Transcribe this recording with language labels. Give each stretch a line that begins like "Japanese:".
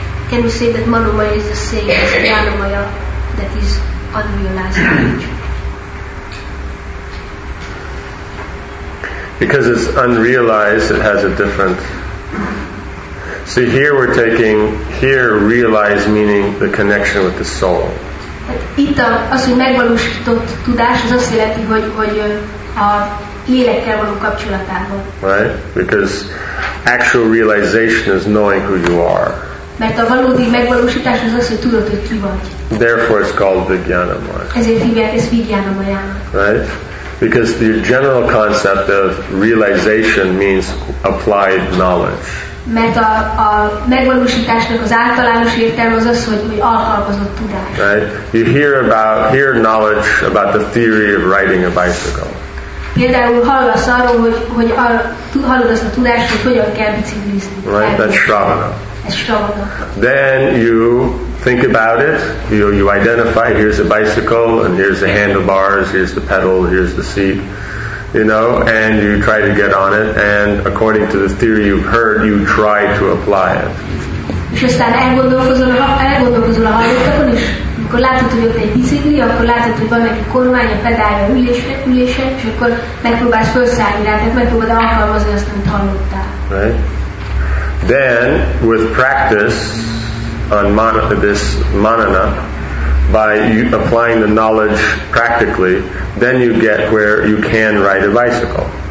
English: Can we say that Mano Maya is the same as Jnana Maya, that is unrealized knowledge? Because it's unrealized, it has a different... So here we're taking, here realized meaning the connection with the soul.
Hungarian: Itt az, hogy megvalósított tudás, az azt jelenti, hogy a lélekkel való kapcsolatában.
English: Right? Because actual realization is knowing who you are.
Hungarian: Mert a valódi megvalósítás az az, hogy tudod, hogy ki vagy.
English: Therefore it's called Vijnana Maya.
Hungarian: Ezért hívják ezt Vijnana Mayának.
English: Right? Because the general concept of realization means applied knowledge.
Hungarian: Mert a megvalósításnak az általános értelme az az, hogy alkalmazott tudás.
English: Right? You hear knowledge about the theory of riding a bicycle.
Hungarian: Például hallasz arról, hogy hallod azt a tudást, hogy hogyan kell biciklizni.
English: Right, that's Shravana.
Hungarian: Ez Shravana.
English: Then you think about it, you identify, here's a bicycle, and here's the handlebars, here's the pedal, here's the seat, you know, and you try to get on it, and according to the theory you've heard, you try to apply it.
Hungarian: És aztán elgondolkozol a hallottakon, és amikor látod, hogy ott egy bicikli, akkor látod, hogy van neki kormány, a pedálja, a ülése, és akkor megpróbálsz felszállni rá, tehát megpróbálod alkalmazni azt, amit hallottál.
English: Right. Then, with practice on manana, by applying the knowledge practically, then you get where you can ride a bicycle.